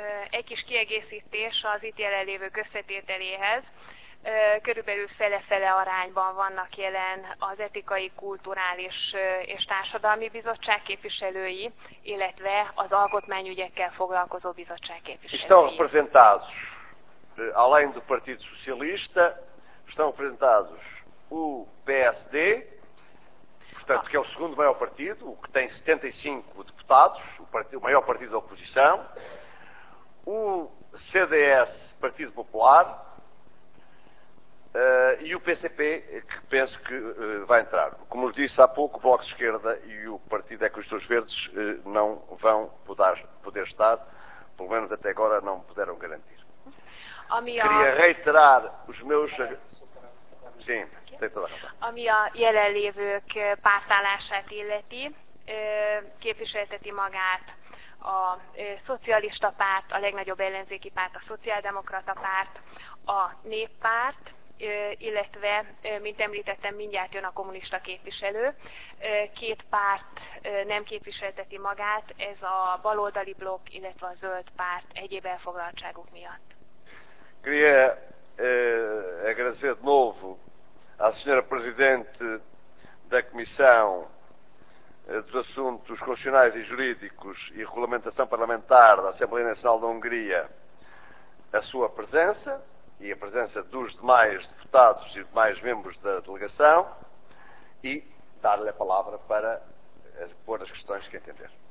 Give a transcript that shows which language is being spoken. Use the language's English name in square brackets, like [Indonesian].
[Hungarian] Egy kis kiegészítés az itt jelenlévő összetételéhez. Körülbelül fele-fele arányban vannak jelen az etikai, kulturális és társadalmi bizottság képviselői, illetve az alkotmányügyekkel foglalkozó bizottság képviselői. [Portuguese] Estão representados, além do Partido Socialista, estão representados o PSD, portanto, que é o segundo maior partido, o que tem 75 deputados, o maior partido da oposição, o CDS, Partido Popular, E o PCP, que penso que vai entrar. Como disse há pouco, o Bloco de Esquerda e o Partido Ecologistas Verdes não vão poder estar, pelo menos até agora não puderam garantir. Queria reiterar os meus... Sim, tem toda a razão. [Hungarian] Ami a jelenlévők pártállását illeti, képviselteti magát a szocialista párt, a legnagyobb ellenzéki párt, a szociáldemokrata párt, a néppárt, illetve, mint említettem, mindjárt jön a kommunista képviselő. Két párt nem képviselteti magát, ez a baloldali blokk, illetve a zöld párt egyéb elfoglaltságuk miatt. [Portuguese] Queria agradecer de novo à senhora Presidente da Comissão dos Assuntos Constitucionais e Jurídicos e Regulamentação Parlamentar da Assembleia Nacional da Hungria a sua presença e a presença dos demais deputados e demais membros da delegação e dar-lhe a palavra para pôr as questões que entender.